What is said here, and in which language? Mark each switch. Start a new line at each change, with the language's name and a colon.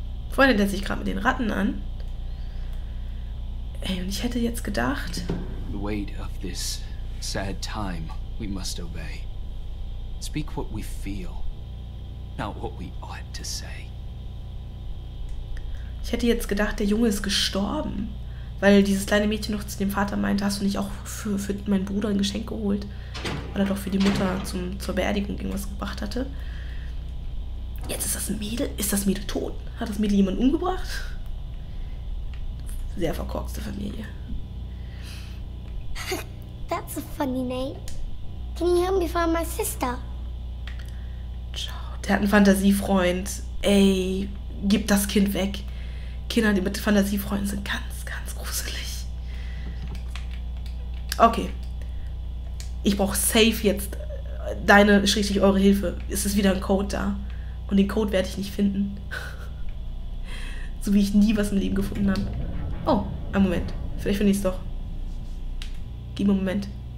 German: Freundin lässt sich gerade mit den Ratten an. Ey, und ich hätte jetzt gedacht...
English: The weight of this sad time. We must obey. Speak what we feel, not what we ought to say.
German: Ich hätte jetzt gedacht, der Junge ist gestorben, weil dieses kleine Mädchen noch zu dem Vater meinte, hast du nicht auch für meinen Bruder ein Geschenk geholt? Oder doch für die Mutter zur Beerdigung irgendwas gebracht hatte. Jetzt ist das Mädel. Ist das Mädel tot? Hat das Mädel jemanden umgebracht? Sehr verkorkste Familie.
English: That's a funny name. Can you help me find my sister?
German: Ciao. Der hat einen Fantasiefreund. Ey, gib das Kind weg. Kinder, die mit Fantasiefreunden sind ganz, ganz gruselig. Okay. Ich brauche safe jetzt deine, schrägstrich eure Hilfe. Es ist wieder ein Code da. Und den Code werde ich nicht finden. So wie ich nie was im Leben gefunden habe. Oh, einen Moment. Vielleicht finde ich es doch. Gib mir einen Moment.